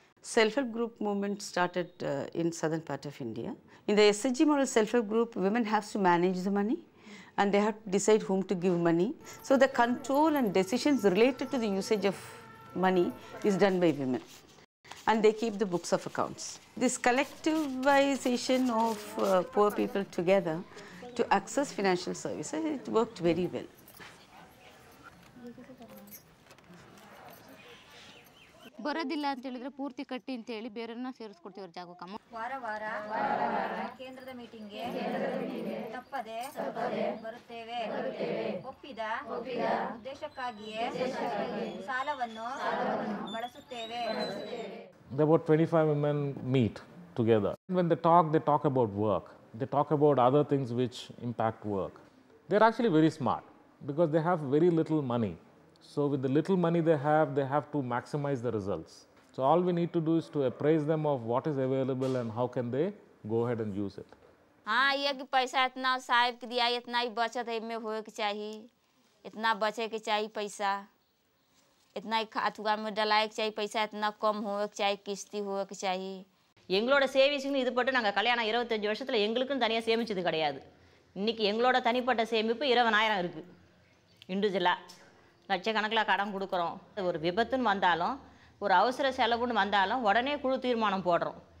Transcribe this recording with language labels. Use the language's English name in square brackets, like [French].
[English] self help group movement started in southern part of India in the SHG model self help group women have to manage the money and they have to decide whom to give money so the control and decisions related to the usage of money is done by women and they keep the books of accounts this collectivization of poor people together to access financial services it worked very well [Kannada] ಬರೋದಿಲ್ಲ ಅಂತ ಹೇಳಿದ್ರೆ ಪೂರ್ತಿ ಕಟ್ಟಿ ಅಂತ ಹೇಳಿ ಬೇರೆಯವ್ರನ್ನ ಸೇರಿಸ್ಕೊಡ್ತೀವಿ ಅವ್ರ ಜಾಗಕ್ಕೆ ವಾರ ವಾರ ಕೇಂದ್ರದ ಮೀಟಿಂಗ್ಗೆ ತಪ್ಪದೆ ಬರುತ್ತೇವೆ ಒಪ್ಪಿದ ದೇಶಕ್ಕಾಗಿಯೇ ಸಾಲವನ್ನು ಬಳಸುತ್ತೇವೆ. [English] There were 25 women meet together. When they talk about work. They talk about other things which impact work. They're actually very smart because they have very little money. So with the little money they have to maximize the results. So all we need to do is to appraise them of what is available and how can they go ahead and use it. [Hindi] हाँ ये कि पैसा इतना साहब की दिया इतना ही बचत है में होए के चाहिए इतना बचे के चाहिए पैसा इतना ही खातुगा में डलाए के चाहिए पैसा इतना कम होए के चाहिए किस्ती होए के चाहिए. [Tamil] எங்களோட சேவிங்ஸ்னு இது போட்டு நாங்கள் கல்யாணம் 25 வருஷத்தில் எங்களுக்கும் தனியாக சேமித்தது கிடையாது. இன்றைக்கி எங்களோட தனிப்பட்ட சேமிப்பு 20,000 இருக்குது. இண்டிவிஜுவலாக லட்சக்கணக்கில் கடன் கொடுக்குறோம். ஒரு விபத்துன்னு வந்தாலும் ஒரு அவசர செலவுன்னு வந்தாலும் உடனே குழு தீர்மானம் போடுறோம்.